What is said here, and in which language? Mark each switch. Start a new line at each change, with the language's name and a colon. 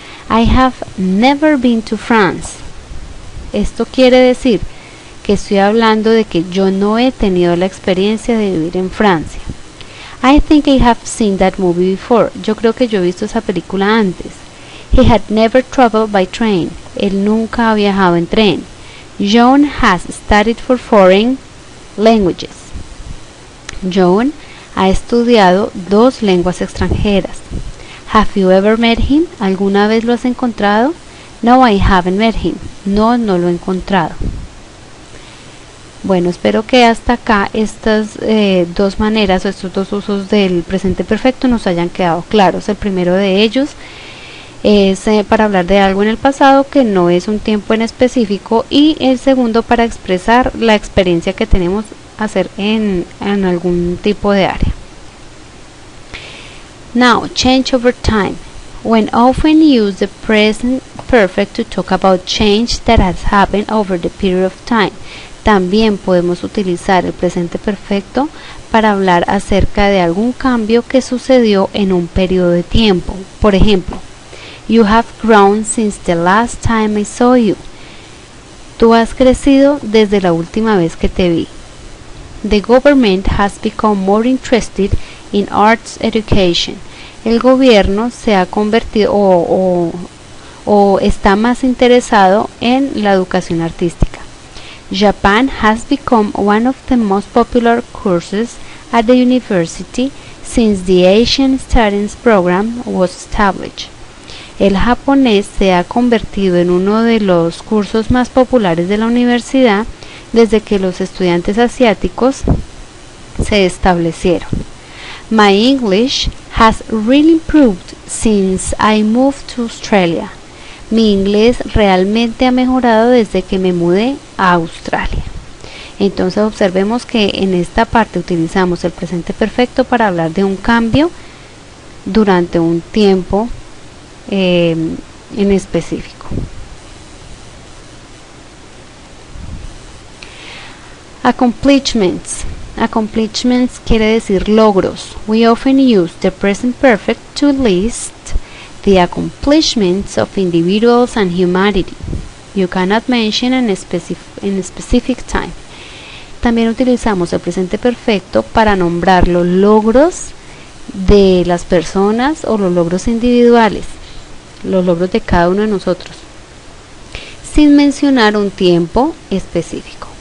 English: I have never been to France.
Spanish: Esto quiere decir que estoy hablando de que yo no he tenido la experiencia de vivir en Francia.
English: I think I have seen that movie before.
Spanish: Yo creo que yo he visto esa película antes.
English: He had never traveled by train.
Spanish: Él nunca ha viajado en tren.
English: Joan has studied for foreign languages.
Spanish: Joan ha estudiado 2 lenguas extranjeras.
English: Have you ever met him?
Spanish: ¿Alguna vez lo has encontrado?
English: No, I haven't met him.
Spanish: No, no lo he encontrado. Bueno, espero que hasta acá estas 2 maneras o estos 2 usos del presente perfecto nos hayan quedado claros. El primero de ellos es para hablar de algo en el pasado que no es un tiempo en específico, y el segundo para expresar la experiencia que tenemos hacer en algún tipo de área.
English: Now, change over time. When often use the present perfect to talk about change that has happened over the period of time.
Spanish: También podemos utilizar el presente perfecto para hablar acerca de algún cambio que sucedió en un periodo de tiempo. Por ejemplo,
English: you have grown since the last time I saw you.
Spanish: Tú has crecido desde la última vez que te vi.
English: The government has become more interested in arts education.
Spanish: El gobierno se ha convertido o está más interesado en la educación artística.
English: Japan has become one of the most popular courses at the university since the Asian Studies Program was established.
Spanish: El japonés se ha convertido en uno de los cursos más populares de la universidad desde que los estudiantes asiáticos se establecieron.
English: My English has really improved since I moved to Australia.
Spanish: Mi inglés realmente ha mejorado desde que me mudé a Australia. Entonces observemos que en esta parte utilizamos el presente perfecto para hablar de un cambio durante un tiempo en específico. Accomplishments. Accomplishments quiere decir logros.
English: We often use the present perfect to list the accomplishments of individuals and humanity. You cannot mention in a specific time.
Spanish: También utilizamos el presente perfecto para nombrar los logros de las personas o los logros individuales, los logros de cada uno de nosotros, sin mencionar un tiempo específico.